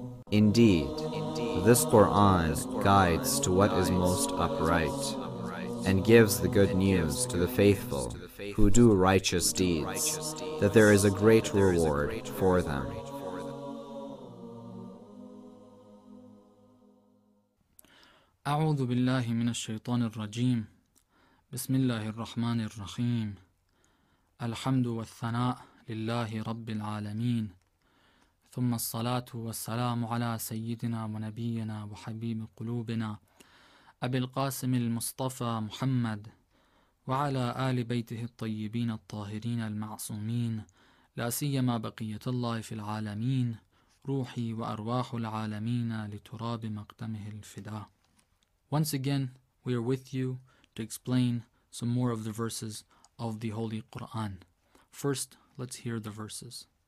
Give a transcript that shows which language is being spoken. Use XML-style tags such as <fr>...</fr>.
<en>Indeed, this Quran guides to what is most upright and gives the good news to the faithful who do righteous deeds, that there is a great reward for them.</en> <ar>أعوذ بالله من الشيطان الرجيم بسم الله الرحمن الرحيم الحمد والثناء لله رب العالمين ثم الصلاة والسلام على سيدنا ونبينا وحبيب قلوبنا أبي القاسم المصطفى محمد وعلى آل بيته الطيبين الطاهرين المعصومين لا سيما بقية الله في العالمين روحي وأرواح العالمين لتراب مقدمه الفداء.</ar> <en>Once again, we are with you to explain some more of the verses of the Holy Quran. First, let's hear the verses.</en>